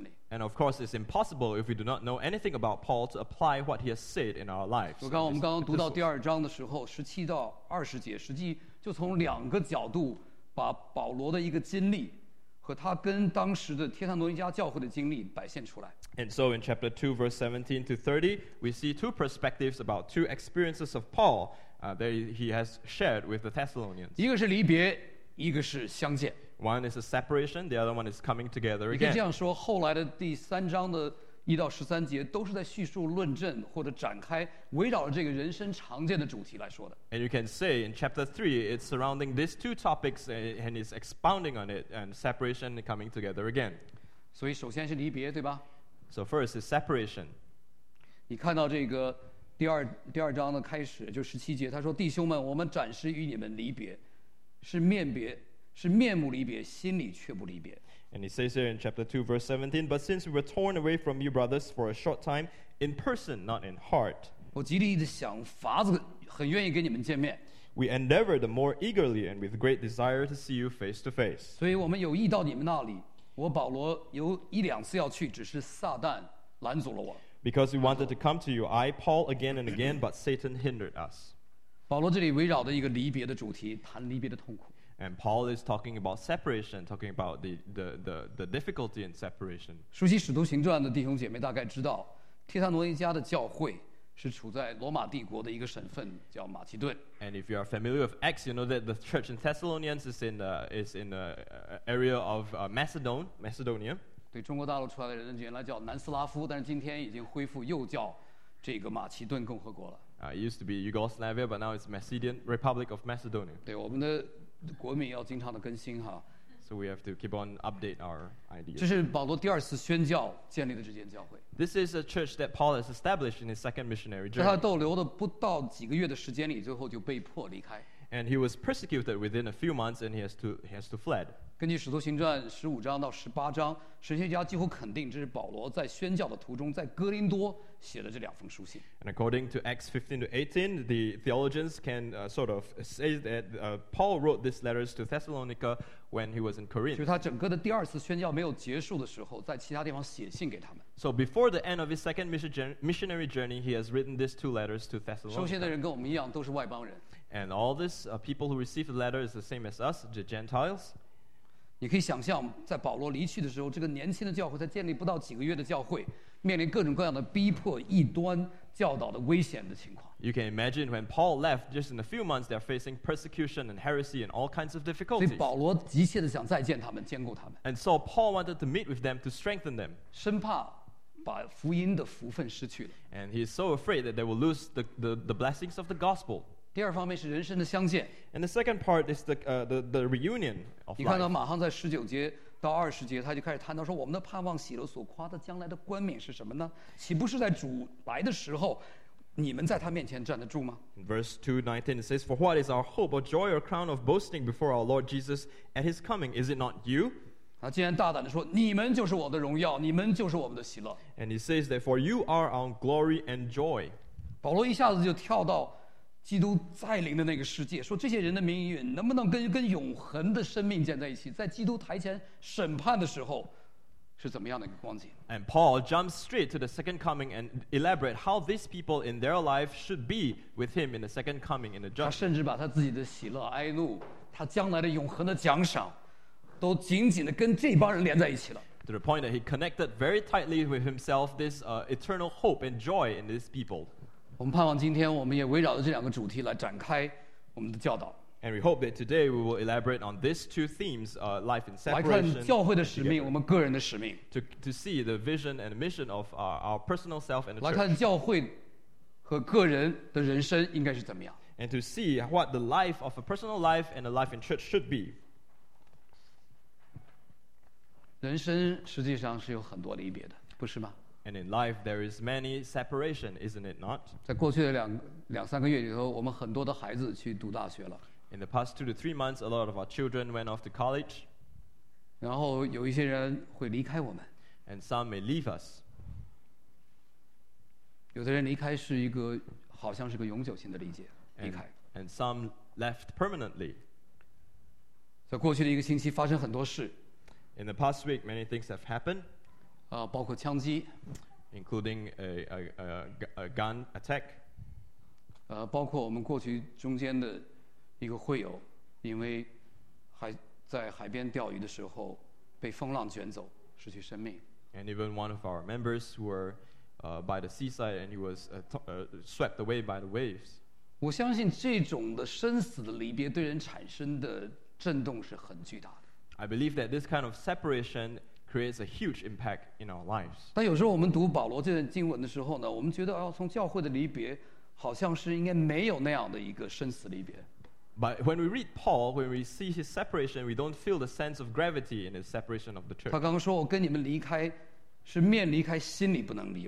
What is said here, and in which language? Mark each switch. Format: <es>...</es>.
<en>And of course, it's impossible if we do not know anything about Paul to apply what he has said in our lives.</en> <zh>刚刚我们刚刚读到第二章的时候，十七到二十节，实际就从两个角度把保罗的一个经历和他跟当时的帖撒罗尼迦教会的经历摆现出来。</zh> <en>And so, in chapter 2, verse 17 to 30, we see two perspectives about two experiences of Paul that he has shared with the Thessalonians.</en> <zh>一个是离别，一个是相见。</zh> <en>One is a separation, the other one is coming together again.</en> <zh>你可以这样说，后来的第三章的一到十三节都是在叙述论证或者展开围绕着这个人生常见的主题来说的。</zh> <en>And you can say in chapter 3, it's surrounding these two topics and it's expounding on it and separation and coming together again.</en> <zh>所以首先是离别，对吧？</zh> <en>So first is separation.</en> <zh>你看到这个第二章的开始，就十七节，他说：弟兄们，我们暂时与你们离别，是面别。是面目离别，心里却不离别。</zh> <en>And he says here in chapter 2, verse 17, But since we were torn away from you, brothers, for a short time, in person, not in heart,</en> <zh>我极力地想法子，很愿意跟你们见面。</zh> <en>We endeavored more eagerly and with great desire to see you face to face.</en> <zh>所以我们有意到你们那里，我保罗有一两次要去，只是撒旦拦阻了我。</zh> <en>Because we wanted to come to you, I, Paul, again and again, but Satan hindered us.</en> <zh>保罗这里围绕着一个离别的主题，谈离别的痛苦。</zh> <en>And Paul is talking about separation, talking about the difficulty in separation.</en> <zh>熟悉使徒行传的弟兄姐妹大概知道，帖撒罗尼迦的教会是处在罗马帝国的一个省份叫马其顿。</zh> <en>And if you are familiar with Acts, you know that the church in Thessalonians is in the area of Macedonia.</en> <zh>对中国大陆出来的人原来叫南斯拉夫，但是今天已经恢复又叫这个马其顿共和国了。</zh> <en>It used to be Yugoslavia, but now it's Macedonian Republic of Macedonia.</en> <zh>对我们的。国民要经常的更新哈。</zh> <en>So we have to keep on update our ideas.</en> <zh>这是保罗第二次宣教建立的这间教会。</zh> <en>This is a church that Paul has established in his second missionary journey.</en> <zh>在他逗留的不到几个月的时间里，最后就被迫离开。</zh> <en>And he was persecuted within a few months, and he has to fled.</en> <zh>根据使徒行传十五章到十八章，神学家几乎肯定这是保罗在宣教的途中在哥林多写的这两封书信。</zh> <en>And according to Acts 15 to 18, the theologians can sort of say that Paul wrote these letters to Thessalonica when he was in Corinth.</en> <zh>就是他整个的第二次宣教没有结束的时候，在其他地方写信给他们。</zh> <en>So before the end of his second missionary journey, he has written these two letters to Thessalonica.</en> <zh>收信的人跟我们一样都是外邦人。</zh> <en>And all this people who receive the letter is the same as us, the Gentiles.</en> <zh>你可以想象，在保罗离去的时候，这个年轻的教会才建立不到几个月的教会，面临各种各样的逼迫、异端教导的危险的情况。</zh> <en>You can imagine when Paul left, just in a few months, they're facing persecution and heresy and all kinds of difficulties.</en> <zh>所以保罗急切地想再见他们，兼顾他们。</zh> <en>And so Paul wanted to meet with them to strengthen them.</en> <zh>生怕把福音的福分失去了。</zh> <en>And he is so afraid that they will lose the blessings of the gospel.</en> <zh>第二方面是人生的相见。</zh> <en>And the second part is the reunion of life.</en> <zh>你看到马上在十九节到二十节，他就开始谈到说，我们的盼望、喜乐、所夸的将来的冠冕是什么呢？岂不是在主来的时候，你们在他面前站得住吗</zh> <en>？Verse 2:19 says, "For what is our hope, or joy, or crown of boasting before our Lord Jesus at His coming? Is it not you?"</en> <zh>他竟然大胆地说，你们就是我的荣耀，你们就是我们的喜乐。</zh> <en>And he says, "Therefore, you are our glory and joy."</en> <zh>保罗一下子就跳到。基督再临的那个世界，说这些人的命运能不能 跟永恒的生命建在一起，在基督台前审判的时候是怎么样的一个光景。</zh> <en>And Paul jumps straight to the second coming and elaborate how these people in their life should be with him in the second coming in the judgment.</en> <zh>他甚至把他自己的喜乐哀怒，他将来的永恒的奖赏都紧紧的跟这帮人连在一起了。</zh> <en>To the point that he connected very tightly with himself this eternal hope and joy in these people.</en> <zh>我们盼望今天我们也围绕着这两个主题来展开我们的教导。</zh> <en>And we hope that today we will elaborate on these two themes, life and separation.</en> <zh>来看教会的使命，我们个人的使命。</zh> <en>To see the vision and mission of our personal self and the church.</en> <zh>来看教会和个人的人生应该是怎么样。</zh> <en>And to see what the life of a personal life and a life in church should be.</en> <zh>人生实际上是有很多离别的，不是吗？</zh> <en>And in life, there is many separation, isn't it not?</en> <zh>在过去的两三个月里头，我们很多的孩子去读大学了。</zh> <en>In the past 2 to 3 months, a lot of our children went off to college.</en> <zh>然后有一些人会离开我们。</zh> <en>And some may leave us.</en> <zh>有的人离开是一个好像是个永久性的理解，离开。</zh> <en>And some left permanently.</en> <zh>在过去的一个星期发生很多事。</zh> <en>In the past week, many things have happened.</en> <zh>包括枪击</zh> <en>including a gun attack</en> <zh>包括我们过去中间的一个会友因为还在海边钓鱼的时候被风浪卷走失去生命</zh> <en>and even one of our members were by the seaside and he was swept away by the waves</en> <zh>我相信这种的生死的离别对人产生的震动是很巨大的</zh> <en>I believe that this kind of separationcreates a huge impact in our lives.</en> <zh>但有时候我们读保罗这段经文的时候呢，我们觉得哦，从教会的离别，好像是应该没有那样的一个生死离别。</zh> <en>But when we read Paul, when we see his separation, we don't feel the sense of gravity in his separation of the church.</en> <zh>他刚刚说我跟你们离开，是面离开，心里不能离。</zh>